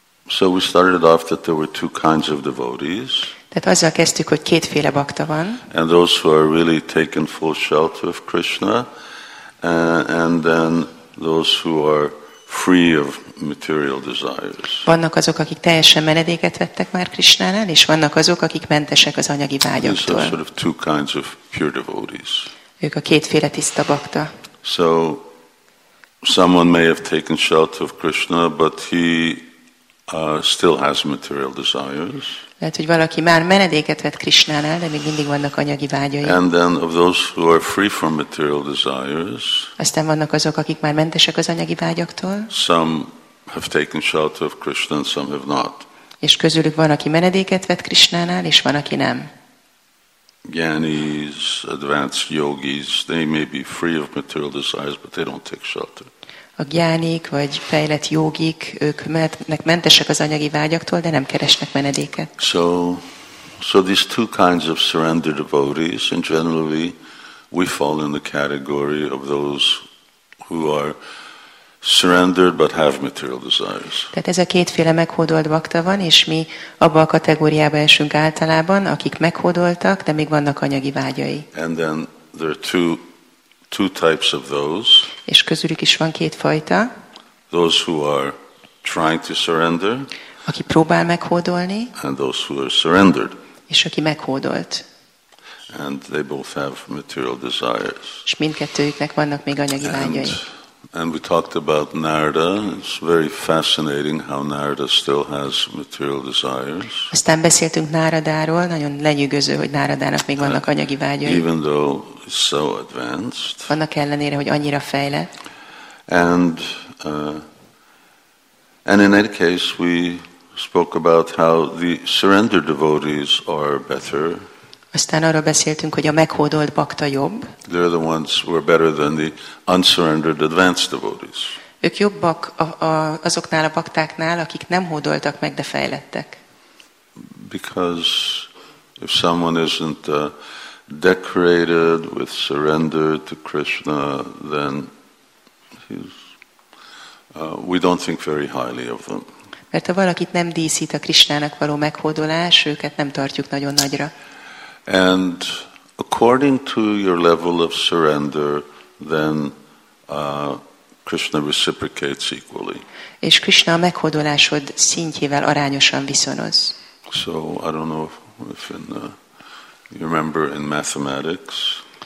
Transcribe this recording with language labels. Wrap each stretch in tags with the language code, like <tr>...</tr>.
<en>So we started off that there were two kinds of devotees.</en> <hu>Tehát azzal kezdtük, hogy kétféle bakta van.</hu> <en>And those who are really taken full shelter of Krishna, and then those who are free of material desires.</en> <hu>Vannak azok, akik teljesen menedéket vettek már Krishnánál, és vannak azok, akik mentesek az anyagi vágyaktól.</hu> <en>These are sort of two kinds of pure devotees.</en> <hu>Ők a kétféle tiszta bakta.</hu> <en>So someone may have taken shelter of Krishna, but he still has material desires.</en> <hu>Lehet, hogy valaki már menedéket vett Krishnánál, de még mindig vannak anyagi vágyai.</hu> <en>And then of those who are free from material desires.</en> <hu>Aztán vannak azok, akik már mentesek az anyagi vágyaktól.</hu> <en>Some have taken shelter of Krishna, and some have not.</en> <hu>És közülük van, aki menedéket vett Krishnánál, és van, aki nem.</hu> <en>Gyanis, advanced yogis, they may be free of material desires, but they don't take shelter.</en> <hu>A gyánik vagy fejlett jogik, ők mentesek az anyagi vágyaktól, de nem keresnek menedéket.</hu> <en>So these two kinds of surrender devotees, and generally we fall in the category of those who are surrendered but have material desires.</en> <hu>Tehát ez a kétféle meghódolt bakta van, és mi abba a kategóriába esünk általában, akik meghódoltak, de még vannak anyagi vágyai.</hu> <en>And then there are two types of those.</en> <hu>És közülük is van két fajta.</hu> <en>Those who are trying to surrender.</en> <hu>Aki próbál meghódolni.</hu> <en>And those who are surrendered.</en> <hu>És aki meghódolt.</hu> <en>And they both have material desires.</en> <hu>És mindkettőjüknek vannak még anyagi vágyai.</hu> <en>And we talked about Narada. It's very fascinating how Narada still has material desires.</en> <hu>Aztán beszéltünk Náradáról. Nagyon lenyűgöző, hogy Náradának még vannak anyagi vágyai.</hu> <en>Even though it's so advanced.</en> <hu>Annak ellenére, hogy annyira fejlett.</hu> <en>And in any case, we spoke about how the surrender devotees are better.</en> <hu>Aztán arról beszéltünk, hogy a meghódolt bakta jobb.</hu> <en>They're the ones who are better than the unsurrendered advanced devotees.</en> <hu>Ők jobbak azoknál a baktáknál, akik nem hódoltak meg, de fejlettek.</hu> <en>Because if someone isn't decorated with surrender to Krishna, then we don't think very highly of them.</en> <hu>Mert ha valakit nem díszít a Krishnának való meghódolás, őket nem tartjuk nagyon nagyra.</hu> <en>And according to your level of surrender, then Krishna reciprocates equally.</en> <hu>És Krishna a meghódolásod szintjével arányosan viszonoz.</hu> <en>So I don't know if you remember in mathematics.</en>